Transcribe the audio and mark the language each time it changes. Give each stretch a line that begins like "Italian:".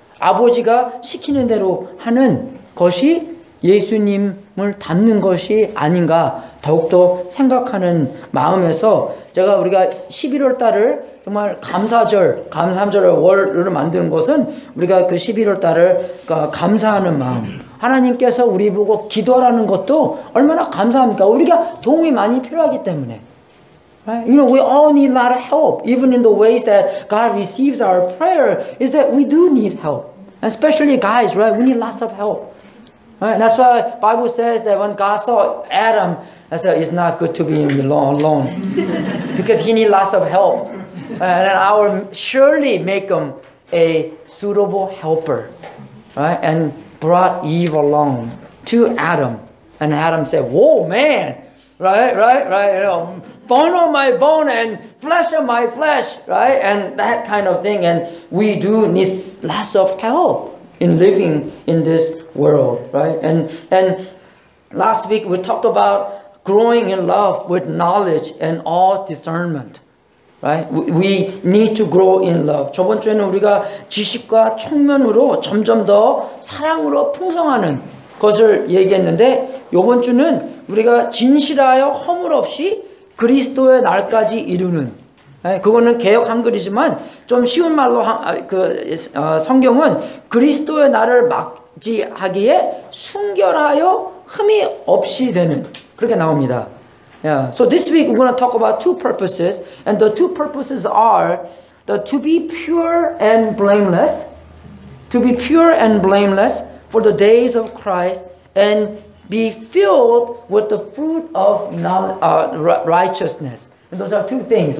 Korean: 아버지가 시키는 대로 하는 것이 예수님을 닮는 것이 아닌가 더욱더 생각하는 마음에서 제가 우리가 11월 달을 정말 감사절, 감사절을 월로 만드는 것은 우리가 그 11월 달을 감사하는 마음 하나님께서 우리 보고 기도하라는 것도 얼마나 감사합니까? 우리가 도움이 많이 필요하기 때문에
English: right? You know, we all need a lot of help even in the ways that God receives our prayer is that we do need help especially guys, right? We need lots of help. Right? That's why the Bible says that when God saw Adam, I said, it's not good to be alone. Because he needs lots of help. And I will surely make him a suitable helper. Right? And brought Eve along to Adam. And Adam said, whoa, man! Right? You know, bone of my bone and flesh of my flesh. Right? And that kind of thing. And we do need lots of help in living in this world, right? And last week we talked about growing in love with knowledge and all discernment, right? We need to grow in love.
Korean: 저번 주에는 우리가 지식과 총면으로 점점 더 사랑으로 풍성하는 것을 얘기했는데 이번 주는 우리가 진실하여 허물 없이 그리스도의 날까지 이루는 그거는 개역 한글이지만 좀 쉬운 말로 성경은 그리스도의 날을 맞이하기에 순결하여 흠이 없이 되는 그렇게 나옵니다.
English: Yeah. So this week we're going to talk about two purposes and the two purposes are the to be pure and blameless to be pure and blameless for the days of Christ and be filled with the fruit of righteousness. And those are two things.